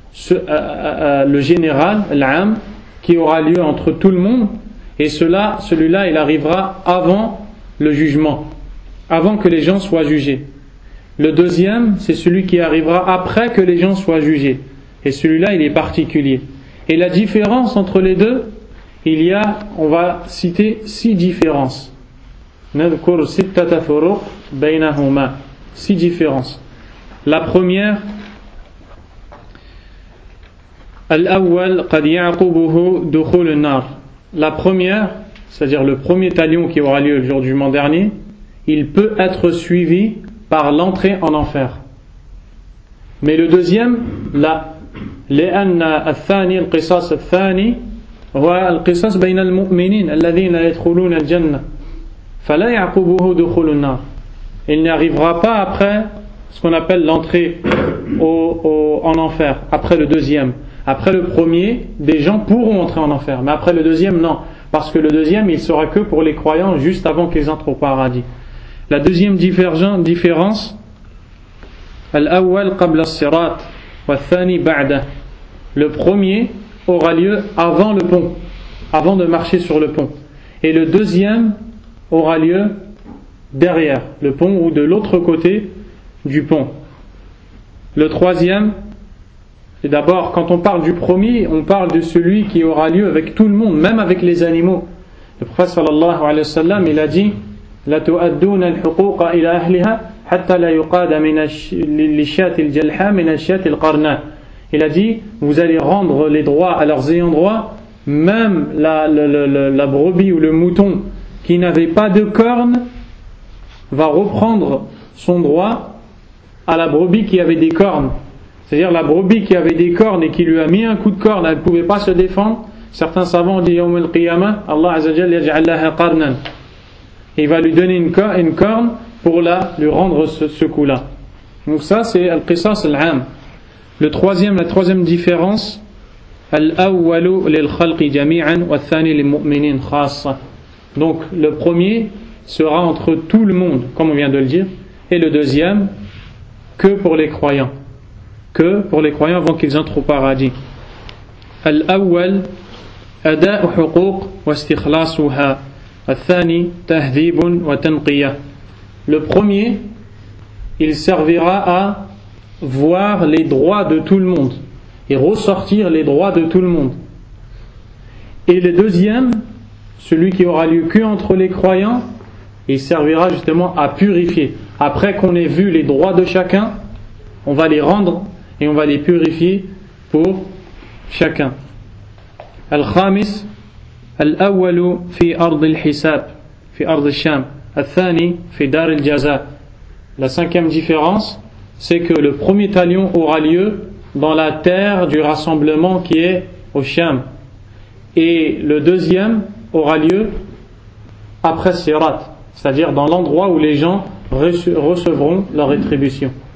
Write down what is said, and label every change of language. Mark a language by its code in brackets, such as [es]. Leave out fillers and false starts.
[fr] Le général, l'âm, qui aura lieu entre tout le monde, et celui-là, il arrivera avant le jugement, avant que les gens soient jugés. Le deuxième, c'est celui qui arrivera après que les gens soient jugés, et celui-là, il est particulier. Et la différence entre les deux, il y a, on va citer six différences. [ar] نذكر ستة فروق بينهما. [fr] Six différences. La première, [ar] الأول قد يعقبه دخول النار. [fr] La première, c'est-à-dire le premier talion qui aura lieu le jour du jugement dernier, il peut être suivi par l'entrée en enfer. Mais le deuxième, là, [ar] لأن الثاني القصاص الثاني هو القصاص بين المؤمنين الذين يدخلون الجنة. فَلَا يَعْقُبُهُ دُخُلُ النَّارِ. [fr] Il n'arrivera pas après ce qu'on appelle l'entrée en enfer, après le deuxième. Après le premier, des gens pourront entrer en enfer, mais après le deuxième, non. Parce que le deuxième, il sera que pour les croyants juste avant qu'ils entrent au paradis. La deuxième différence, [ar] الأول قبل الصراط والثاني بعده. [fr] Le premier aura lieu avant le pont, avant de marcher sur le pont. Et le deuxième aura lieu derrière le pont ou de l'autre côté du pont. Le troisième, et d'abord quand on parle du premier, on parle de celui qui aura lieu avec tout le monde, même avec les animaux. Le prophète [ar] sallallahu alayhi wa sallam, [fr] il a dit: [ar] la tu'adduna al-huquqa ila ahliha حتى لا يقاد من الشاة الجلحة من الشاة القرناء. [fr] Il a dit, vous allez rendre les droits à leurs ayants droit, même la brebis ou le mouton qui n'avait pas de cornes va reprendre son droit à la brebis qui avait des cornes. C'est-à-dire la brebis qui avait des cornes et qui lui a mis un coup de corne, elle ne pouvait pas se défendre. Certains savants ont dit, [ar] يوم القيامة, [fr] Allah [ar] عز وجل [fr] يجعل لها قرنا. Il va lui donner une corne pour lui rendre ce coup-là. Donc ça, c'est Al-Qisas Al-Am. La troisième différence, [ar] الأول للخلق جميعا والثاني للمؤمنين خاصة. [fr] Donc le premier sera entre tout le monde, comme on vient de le dire, et le deuxième que pour les croyants. Que pour les croyants avant qu'ils entrent au paradis. [ar] الأول أداء حقوق واستخلاصها. الثاني تهذيب وتنقية. [fr] Le premier, il servira à voir les droits de tout le monde et ressortir les droits de tout le monde. Et le deuxième, celui qui aura lieu que entre les croyants, il servira justement à purifier. Après qu'on ait vu les droits de chacun, on va les rendre et on va les purifier pour chacun. [ar] الخامس الأول في أرض الحساب في أرض الشام الثاني في دار الجزاء. [fr] La cinquième différence, c'est que le premier talion aura lieu dans la terre du rassemblement qui est au Sham, et le deuxième aura lieu après Sirat, c'est-à-dire dans l'endroit où les gens recevront leur rétribution.